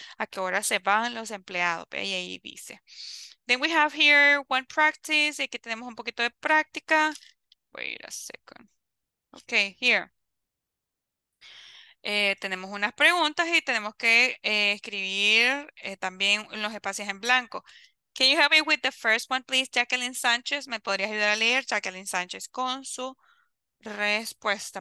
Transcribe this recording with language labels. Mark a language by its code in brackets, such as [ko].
[es] ¿A qué hora se van los empleados? Y ahí dice. [en] Then we have here one practice. [es] Aquí tenemos un poquito de práctica. [en] Wait a second. Okay, here. [es] Tenemos unas preguntas y tenemos que escribir también los espacios en blanco. [en] Can you help me with the first one, please, Jacqueline Sánchez? [es] ¿Me podrías ayudar a leer Jacqueline Sánchez con su respuesta?